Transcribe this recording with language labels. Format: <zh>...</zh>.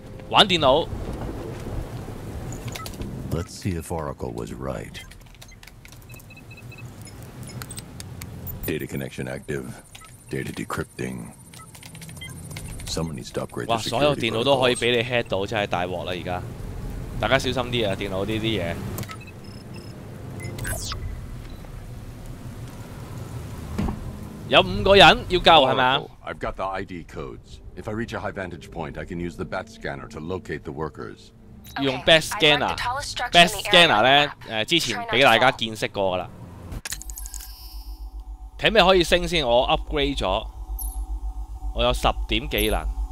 <yue>玩电脑。</yue> <en>Let's see if Oracle was right. Data connection active. Data decrypting. Someone needs to upgrade. 哇！</en> <yue>所有电脑都可以俾你 hack 到，真系大镬啦！而家，大家小心啲啊！电脑呢啲嘢。有五个人要救系嘛</yue> <en>？I've got the ID codes. If I reach a high vantage point, I can use the bat scanner to locate the workers.</en> <yue>用 bat scanner， bat scanner 咧，之前俾大家见识过噶啦。睇咩可以升先？我 upgrade 咗，我有十点技能。</yue>